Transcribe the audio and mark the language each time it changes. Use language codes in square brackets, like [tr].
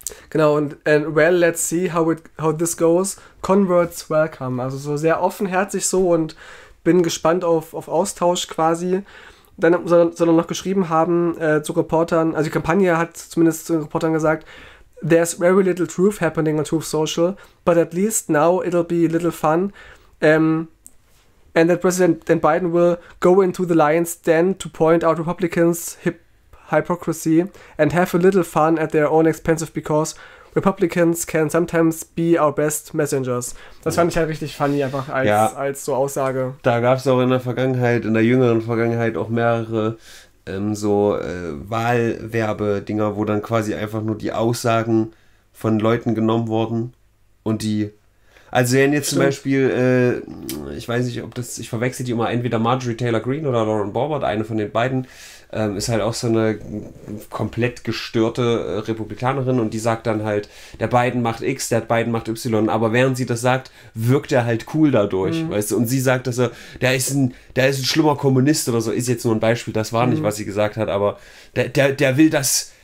[en] Genau, and well, let's see how this goes. Converts welcome. [de] Also so sehr offenherzig so und bin gespannt auf Austausch quasi. Dann soll er noch geschrieben haben zu Reportern, also die Kampagne hat zumindest zu den Reportern gesagt, [en] there's very little truth happening on Truth Social, but at least now it'll be a little fun. And that President Biden will go into the lion's den to point out Republicans' hypocrisy and have a little fun at their own expense because Republicans can sometimes be our best messengers. [de] Das fand ich halt richtig funny, einfach als so Aussage. Da gab es auch in der jüngeren Vergangenheit auch mehrere Wahlwerbedinger, wo dann quasi einfach nur die Aussagen von Leuten genommen wurden und die Also wenn jetzt zum Beispiel, ich weiß nicht, ob das, ich verwechsel die immer, entweder Marjorie Taylor Greene oder Lauren Boebert, eine von den beiden, ist halt auch so eine komplett gestörte Republikanerin und die sagt dann halt, der Biden macht X, der Biden macht Y, aber während sie das sagt, wirkt er halt cool dadurch, weißt du, und sie sagt, dass er, der ist ein schlimmer Kommunist oder so, ist jetzt nur ein Beispiel, das war nicht, was sie gesagt hat, aber der will das...